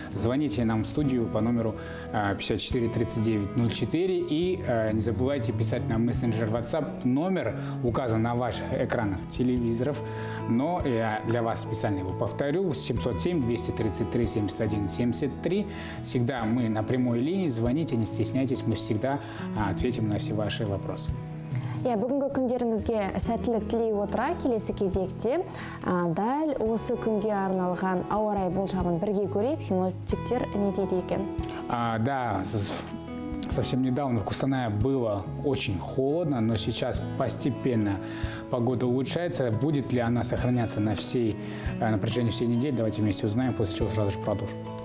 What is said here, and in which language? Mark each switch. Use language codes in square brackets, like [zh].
[ru] Звоните нам в студию по номеру 54-39-04 и не забывайте писать нам мессенджер WhatsApp. Номер указан на ваших экранах телевизоров, но я для вас специально его повторю. 707-233-71-73. Всегда мы на прямой линии. Звоните, не стесняйтесь, мы всегда ответим на все ваши вопросы. [kk] Я бүгінгі күндеріңізге сәттілік тілей отыра, келесі кезекте дәл осы күнге арналған ауарай болжамын бірге көрек. Синоптиктер не дейді екен? [ru] Да, совсем недавно в Костанае было очень холодно, но сейчас постепенно погода улучшается. Будет ли она сохраняться на всей на протяжении всей недели? Давайте вместе узнаем, после чего сразу же продолжим.